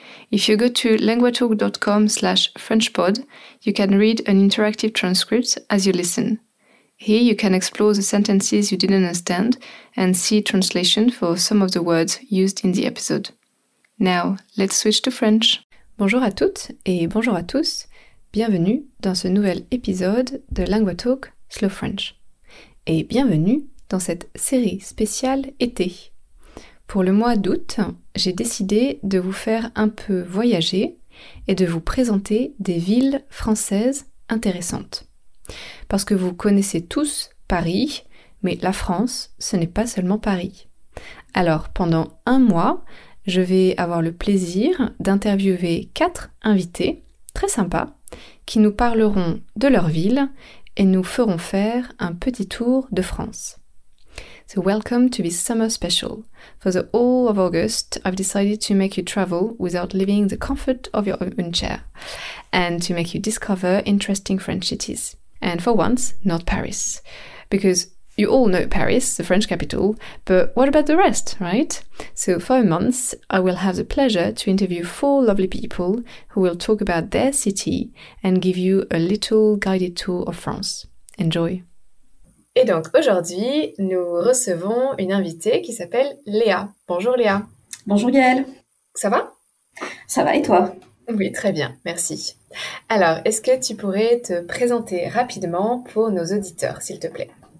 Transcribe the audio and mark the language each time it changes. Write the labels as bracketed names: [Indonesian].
[English] If you go to languagetalk.com/frenchpod, you can read an interactive transcript as you listen. Here you can explore the sentences you didn't understand and see translation for some of the words used in the episode. Now, let's switch to French. [French] Bonjour à toutes et bonjour à tous. Bienvenue dans ce nouvel épisode de Langue Talk Slow French. Et bienvenue dans cette série spéciale été. Pour le mois d'août, j'ai décidé de vous faire un peu voyager et de vous présenter des villes françaises intéressantes. Parce que vous connaissez tous Paris, mais la France, ce n'est pas seulement Paris. Alors, pendant un mois, je vais avoir le plaisir d'interviewer 4 invités très sympas qui nous parleront de leur ville et nous ferons faire un petit tour de France. [English] So welcome to this summer special. For the whole of August, I've decided to make you travel without leaving the comfort of your own chair and to make you discover interesting French cities. And for once, not Paris. Because you all know Paris, the French capital, but what about the rest, right? So for a month, I will have the pleasure to interview 4 lovely people who will talk about their city and give you a little guided tour of France. Enjoy! [French] Et donc aujourd'hui, nous recevons une invitée qui s'appelle Léa. Bonjour Léa. Bonjour Gaëlle. Ça va? Ça va et toi? Oui, très bien, merci. Alors, est-ce que tu pourrais te présenter rapidement pour nos auditeurs, s'il te plaît?